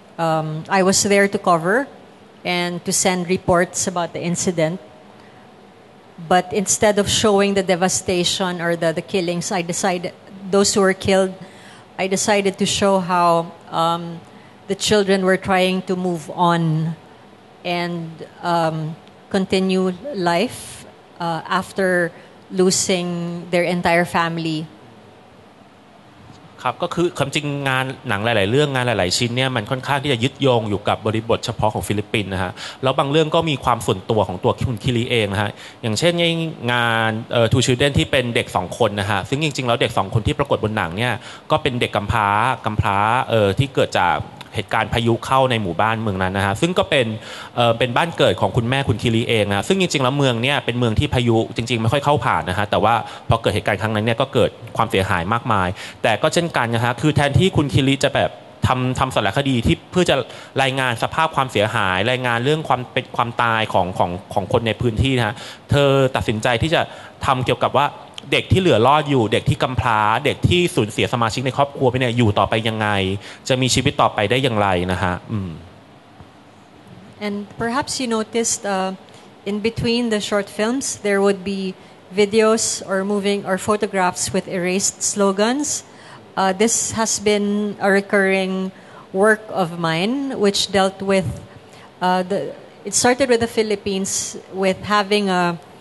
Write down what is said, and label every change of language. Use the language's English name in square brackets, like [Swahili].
[English] I was there to cover and to send reports about the incident, but instead of showing the devastation or the killings, I decided to show how the children were trying to move on and continue life after losing their entire family. [Thai] ครับก็คือความจริงงานหนังหลายๆเรื่องงานหลายๆชิ้นเนี่ยมันค่อนข้างที่จะยึดโยงอยู่กับบริบทเฉพาะของฟิลิปปินส์นะฮะแล้วบางเรื่องก็มีความส่วนตัวของตัวคุณคิริเองนะฮะอย่างเช่นงานทูชิลเดนที่เป็นเด็ก2คนนะฮะซึ่งจริงๆแล้วเด็ก2คนที่ปรากฏบนหนังเนี่ยก็เป็นเด็กกำพร้าที่เกิดจาก เหตุการณ์พายุเข้าในหมู่บ้านเมืองนั้นนะฮะซึ่งก็เป็นบ้านเกิดของคุณแม่คุณคิริเองนะซึ่งจริงๆแล้วเมืองเนี่ยเป็นเมืองที่พายุจริงๆไม่ค่อยเข้าผ่านนะฮะแต่ว่าพอเกิดเหตุการณ์ครั้งนั้นเนี่ยก็เกิดความเสียหายมากมายแต่ก็เช่นกันนะฮะคือแทนที่คุณคิริจะแบบทำสารคดีที่เพื่อจะรายงานสภาพความเสียหายรายงานเรื่องความเป็นความตาย ของคนในพื้นที่นะฮะเธอตัดสินใจที่จะทำเกี่ยวกับว่าเด็กที่เหลือรอดอยู่เด็กที่กำพร้าเด็กที่สูญเสียสมาชิกในครอบครัวไปเนี่ยอยู่ต่อไปยังไงจะมีชีวิตต่อไปได้อย่างไรนะฮะ [English] And perhaps you noticed in between the short films there would be videos or moving or photographs with erased slogans. This has been a recurring work of mine, which dealt with it started with the Philippines with having a